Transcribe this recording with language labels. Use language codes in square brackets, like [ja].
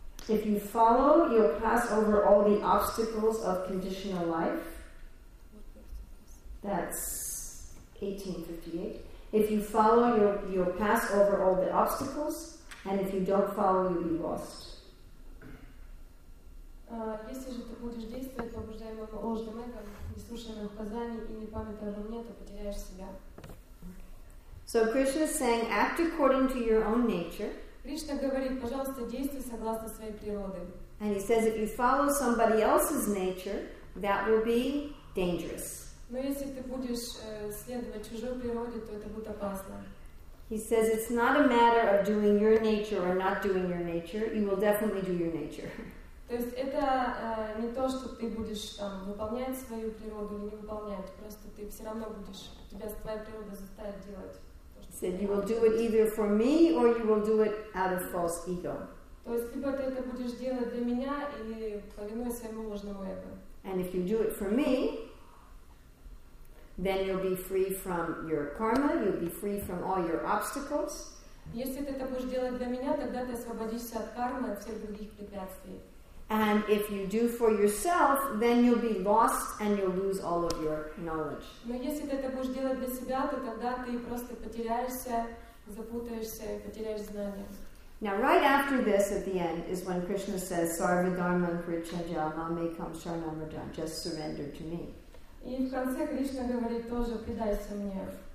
[en] If you follow, you'll pass over all the obstacles of conditional life. That's 1858. If you follow, you'll pass over all the obstacles, and if you don't follow, you'll be lost. [ru] Если же ты будешь действовать по обуждаемому ложным эго, не слушая указаний и не памятуя обо мне, то потеряешь себя. [en] So Krishna is saying, act according to your own nature. [ru] Кришна говорит, пожалуйста, действуй согласно своей природе. [en] And he says, if you follow somebody else's nature, that will be dangerous. [ru] Но если ты будешь следовать чужой природе, то это будет опасно. [en] He says, it's not a matter of doing your nature or not doing your nature. You will definitely do your nature. [ru] То есть это не то, что ты будешь там выполнять свою природу или не выполнять. Просто ты все равно будешь, тебя твоя природа заставит делать. [en] He said, you will do it either for me or you will do it out of false ego. [ru] То есть, либо ты это будешь делать для меня или повинуясь своему ложному эго. [en] And if you do it for me, then you'll be free from your karma, you'll be free from all your obstacles. [ru] Если ты это будешь делать для меня, тогда ты освободишься от кармы, от всех других препятствий. [en] And if you do for yourself, then you'll be lost and you'll lose all of your knowledge. [ru] Но если ты это будешь делать для себя, то тогда ты просто потеряешься, запутаешься, потеряешь знания. [en] Now, right after this, at the end, is when Krishna says, [sa] "Sarva dharma prichaja, mame kam sharanam raja." [en] Just surrender to me. [ru] И в конце Кришна говорит тоже, предайся мне.